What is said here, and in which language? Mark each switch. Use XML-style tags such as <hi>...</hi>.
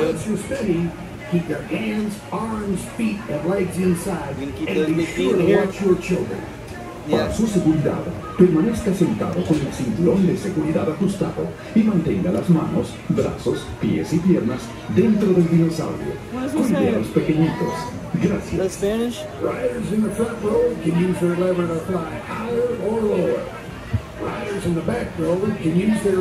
<en>Once you're steady, keep your hands, arms, feet, and legs inside. We're gonna keep and be sure to here. Watch your children. Yes.</en> <es>Para su seguridad, permanezca sentado con el cinturón de seguridad ajustado y mantenga las manos, brazos, pies y piernas dentro del dinosaurio. Cuide a los pequeñitos. Gracias.</es> <en>That's Spanish? Riders in the front row can use their lever to fly higher or lower. Riders in the back row can use their</en>